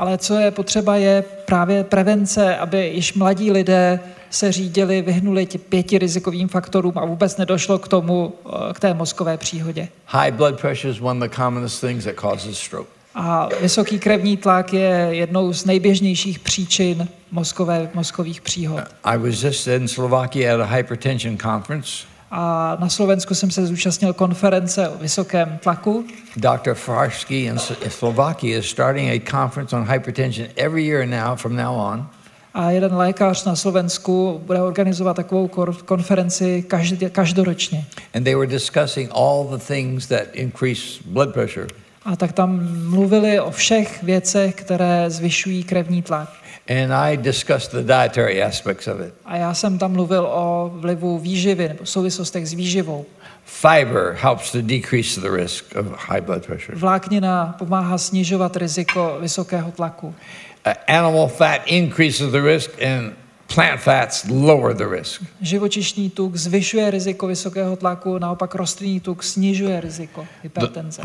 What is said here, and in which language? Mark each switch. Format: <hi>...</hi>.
<cs>Ale co je potřeba je právě prevence, aby již mladí lidé se řídili, vyhnuli těm pěti rizikovým faktorům a vůbec nedošlo k tomu, k té mozkové příhodě.</cs> <en>High blood pressure is one of the commonest things that causes stroke.</en> <cs>A vysoký krevní tlak je jednou z nejběžnějších příčin mozkových příhod.</cs> <en>I was just in Slovakia at a hypertension conference.</en> <cs>A na Slovensku jsem se zúčastnil konference o vysokém tlaku.</cs> <en>Dr. Farsky in Slovakia is starting a conference on hypertension every year now from now on.</en> <cs>A jeden lékař na Slovensku bude organizovat takovou konferenci každoročně.</cs> <en>And they were discussing all the things that increase blood pressure.</en> <cs>A tak tam mluvili o všech věcech, které zvyšují krevní tlak.</cs> <en>And I discussed the dietary aspects of it.</en> <cs>A já jsem tam mluvil o vlivu výživy, nebo souvislostech s výživou.</cs> <en>Fiber helps to decrease the risk of high blood pressure.</en> <cs>Vláknina pomáhá snižovat riziko vysokého tlaku.</cs> <en>Animal fat increases the risk and plant fats lower the risk.</en> <cs>Živočišný tuk zvyšuje riziko vysokého tlaku, naopak rostlinný tuk snižuje riziko hypertenze.</cs>